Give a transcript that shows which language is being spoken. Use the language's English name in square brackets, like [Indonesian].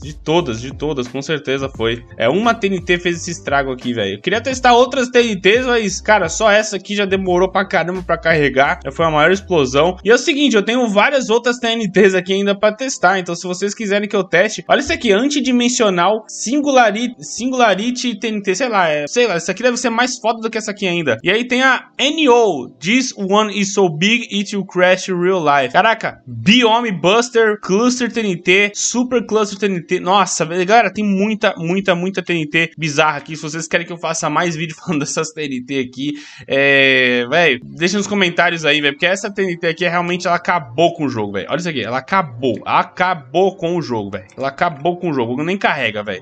[Portuguese] De todas, com certeza foi. É, uma TNT fez esse estrago aqui, velho. Eu queria testar outras TNTs, mas cara, só essa aqui já demorou pra caramba pra carregar, foi a maior explosão. E é o seguinte, eu tenho várias outras TNTs aqui ainda pra testar, então se vocês quiserem que eu teste, olha isso aqui, antidimensional singularity TNT, sei lá, isso aqui deve ser mais foda do que essa aqui ainda. [English] E aí tem a NO, this one is so big it will crash real life. [Portuguese] Caraca, Biome Buster Cluster TNT, Super Cluster TNT. Nossa, galera, tem muita TNT bizarra aqui. Se vocês querem que eu faça mais vídeo falando dessas TNT aqui, velho, deixa nos comentários aí, velho, porque essa TNT aqui realmente ela acabou com o jogo, velho. Olha isso aqui, ela acabou. Acabou com o jogo, velho. Ela acabou com o jogo, nem carrega, velho.